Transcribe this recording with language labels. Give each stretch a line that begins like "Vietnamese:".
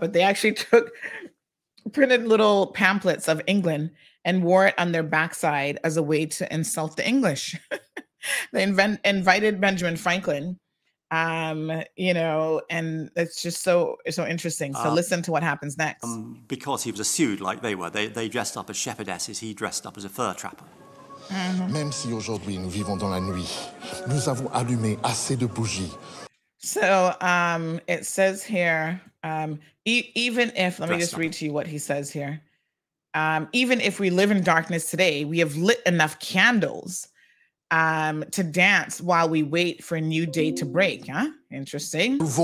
English: But they actually took printed little pamphlets of England and wore it on their backside as a way to insult the English. They invited Benjamin Franklin, you know, and it's just so interesting. So listen to what happens next. Because he was a Sioux, like they were. They dressed up as shepherdesses. He dressed up as a fur trapper. Mm-hmm.
French: Même si aujourd'hui nous vivons dans la nuit, nous avons allumé assez de bougies.
English: So it says here, let me just read to you what he says here. Even if we live in darkness today, we have lit enough candles to dance while we wait for a new day to break. Huh? Interesting.